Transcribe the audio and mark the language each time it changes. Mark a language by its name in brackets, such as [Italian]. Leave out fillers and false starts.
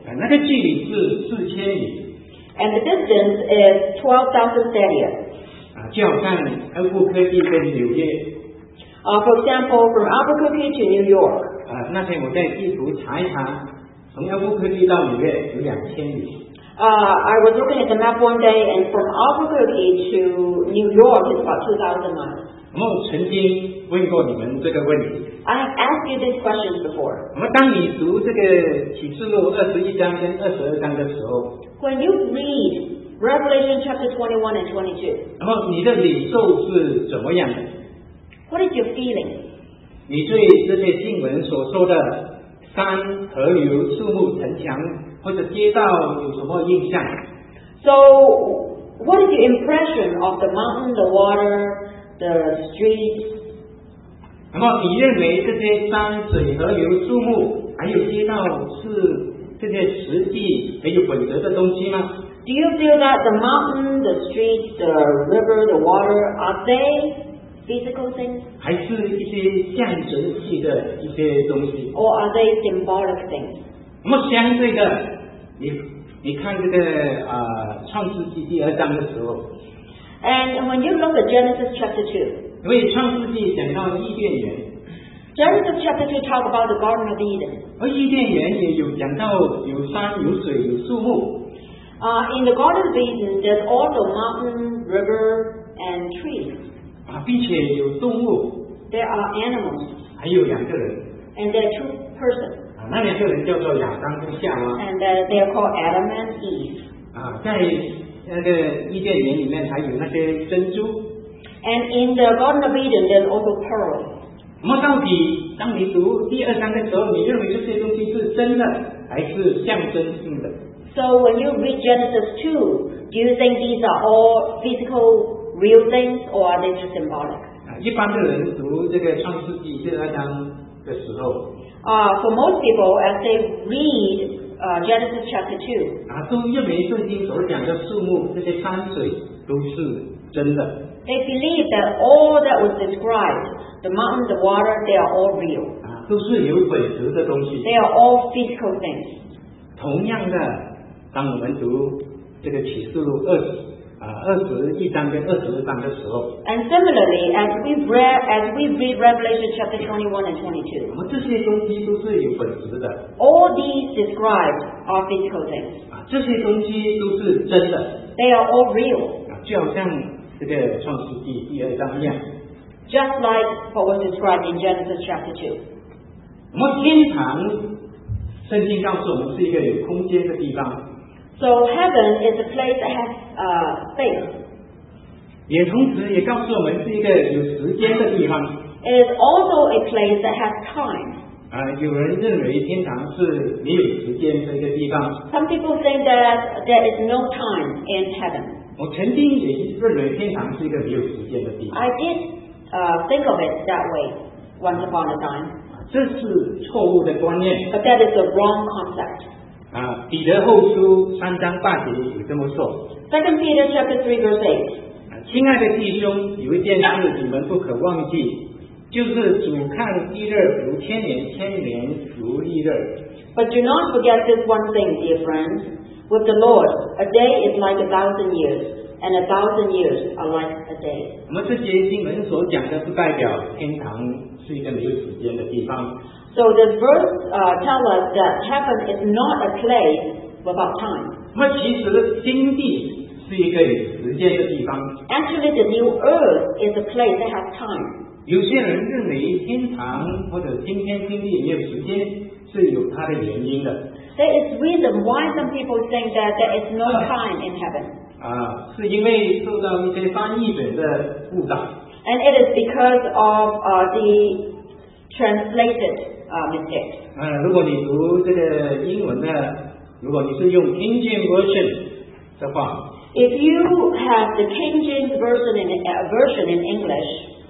[Chinese] 那个距离是四千里。 [English] And the distance is 12,000 stadia. [Chinese] 就好像阿布科基跟纽约。 [English] For example, from Albuquerque to New York. [Chinese] 那天我在地图查一查，从阿布科基到纽约有2000里。 [English] I was looking at the map one day, and from Albuquerque to New York is about 2,000 miles. [Chinese] 我们曾经问过你们这个问题。 [English] I have asked you these questions before. [Chinese] 那么当你读这个启示录二十一章跟二十二章的时候 [English] ，When you read Revelation chapter 21 and 22, [Chinese] 那么你的领受是怎么样的 [English] ？What is your feeling? [Chinese] 你对这些经文所说的山、河流、树木、城墙或者街道有什么印象 [English] ？So, what is your impression of the mountain, the water? The streets. [Chinese] 那么你认为这些山水河流树木还有街道是这些实际很有本质的东西吗 [English] ？Do you feel that the mountain, the streets, the river, the water are they physical things? [Chinese] 还是一些象征性的一些东西 [English] ？Or are they symbolic things? [Chinese] 那么相对的，你看这个创世纪第二章的时候。 [English] And when you look at Genesis chapter 2, [Chinese] 因为创世纪讲到伊甸园。 [English] Genesis chapter 2 talk about the Garden of Eden. [Chinese] 而伊甸园也有讲到有山有水有树木。 [English] In the Garden of Eden, there's also mountain, river, and trees. [Chinese] 并且有动物。 [English] There are animals. [Chinese] 还有两个人。 [English] And there are two persons. [Chinese] 那两个人叫做亚当跟夏娃。 [English] And they are called Adam and Eve. [Chinese] 在那个伊甸园里面还有那些珍珠。 [English] And in the Garden of Eden, there's also pearls. [Chinese] 那么到底当你读第二章的时候，你认为这些东西是真的还是象征性的？ [English] So when you read Genesis 2, do you think these are all physical real things or are they just symbolic? [Chinese] 一般的人读这个创世纪第二章的时候， [English] For most people, as they read Genesis chapter 2, [Chinese] 都认为圣经所讲的树木、这些山水都是真的。 [English] They believe that all that was described, the mountain, the water, they are all real. [Chinese] 都是有本质的东西。 [English] They are all physical things. [Chinese] 同样的，当我们读这个启示录二十一章跟二十章的时候 [English] ，And similarly, as we read Revelation chapter 21 and 22, [Chinese] 我们这些东西都是有本质的。 [English] All these described are physical things. [Chinese] 这些东西都是真的。 [English] They are all real. [Chinese] 就好像这个创世纪第二章一样。 [English] Just like what was described in Genesis chapter 2. [Chinese] 我们天堂，圣经告诉我们是一个有空间的地方。 [English] So heaven is a place that has space. [Chinese] 也同时也告诉我们是一个有时间的地方。 [English] It is also a place that has time. [Chinese] 有人认为天堂是没有时间的一个地方。 [English] Some people think that there is no time in heaven. [Chinese] 我曾经也认为天堂是一个没有时间的地方。 [English] I did think of it that way once upon a time. [Chinese] 这是错误的观念。 [English] But that is a wrong concept. [Chinese] 彼得后书三章八节有这么说。 [English] Second Peter chapter 3 verse 8。 [Chinese] 亲爱的弟兄，有一件事你们不可忘记，就是主看一日如千年，千年如一日。 [English] But do not forget this one thing, dear friends. With the Lord, a day is like a thousand years, and a thousand years are like a day. [Chinese] 我们这些经文所讲的是代表天堂是一个没有时间的地方。 [English] So this verse tells us that heaven is not a place without time. [Chinese] 那其实新地是一个有时间的地方。 [English] Actually, the new earth is a place that has time. [Chinese] 有些人认为天堂或者今天新地没有时间是有它的原因的。 [English] There is reason why some people think that there is no time in heaven. [Chinese] 是因为受到一些翻译本的误导。 [English] And it is because of the translated. Mistakes. [Chinese] 如果你读这个英文呢，如果你是用 King James Version 的话 [English] ，If you have the King James Version in version in English，